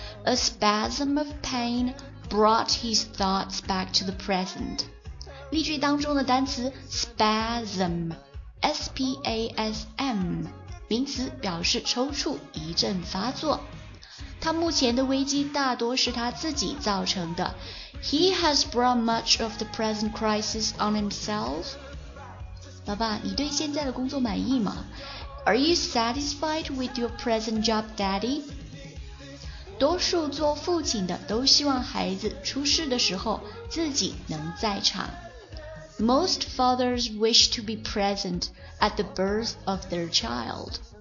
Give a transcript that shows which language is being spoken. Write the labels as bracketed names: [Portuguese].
[English] A spasm of pain brought his thoughts back to the present。 [Chinese] 例句当中的单词 spasm， S-P-A-S-M， 名词，表示抽搐、一阵发作。他目前的危机大多是他自己造成的。 [English] He has brought much of the present crisis on himself。 [Chinese] 老爸，你对现在的工作满意吗？ [English] Are you satisfied with your present job, Daddy? [Chinese] 多数做父亲的都希望孩子出事的时候自己能在场。 [English] Most fathers wish to be present at the birth of their child.